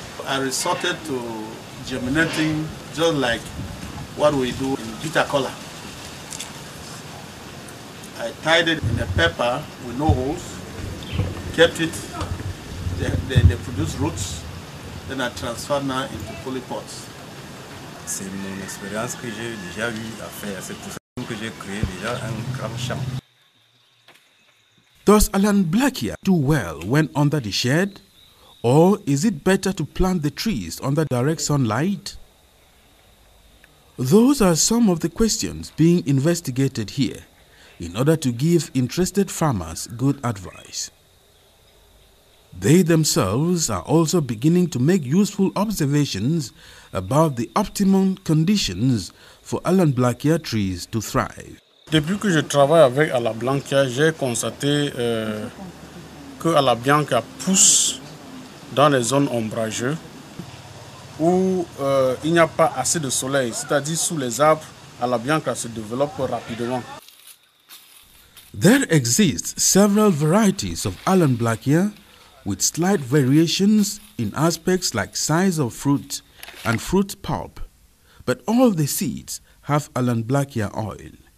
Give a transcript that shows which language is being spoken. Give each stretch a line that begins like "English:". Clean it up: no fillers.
English: I resorted to germinating, just like what we do in bitter cola. I tied it in a paper with no holes, kept it, they produced roots, then I transferred now into polypots.
French: C'est mon expérience que j'ai déjà eu à faire. C'est pour ça que j'ai créé déjà un grand champ.
English: Does Allanblackia do well when under the shade, or is it better to plant the trees under direct sunlight? Those are some of the questions being investigated here in order to give interested farmers good advice. They themselves are also beginning to make useful observations about the optimum conditions for Allanblackia trees to thrive.
French: Depuis que je travaille avec Allanblackia, j'ai constaté que Allanblackia pousse dans les zones ombrageuses où il n'y a pas assez de soleil, c'est-à-dire sous les arbres, Allanblackia se développe rapidement.
English: There exist several varieties of Allanblackia with slight variations in aspects like size of fruit and fruit pulp, but all the seeds have Allanblackia oil.